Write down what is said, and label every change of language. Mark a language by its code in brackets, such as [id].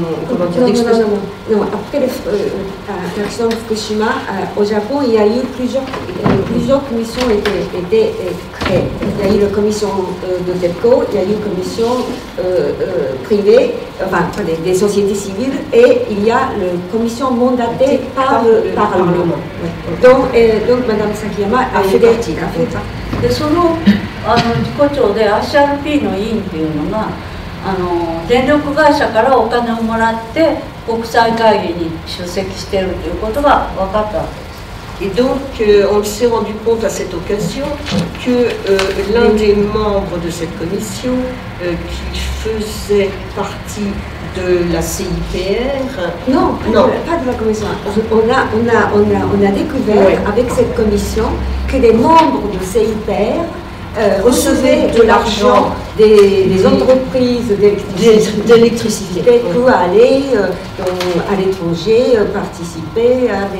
[fr] Après l'accident de Fukushima, au Japon, il y a eu plusieurs commissions qui ont été créées. Il y a eu la commission de TEPCO, il y a eu la commission privée, enfin des sociétés civiles, et il y a la commission mandatée par le Parlement. Donc Madame Sakiyama a fait des articles. [ja] でその、 あの事故調で HRP の委員っていうのがあの電力会社からお金をもらって国際会議に出席しているということが分かったわけです。 [fr] Et donc, on s'est rendu compte à cette occasion que l'un des membres de cette commission, qui faisait partie de la CIPR... Non, pas de la commission. On a découvert avec cette commission que les membres de CIPR recevaient de l'argent des entreprises d'électricité pour aller à l'étranger, participer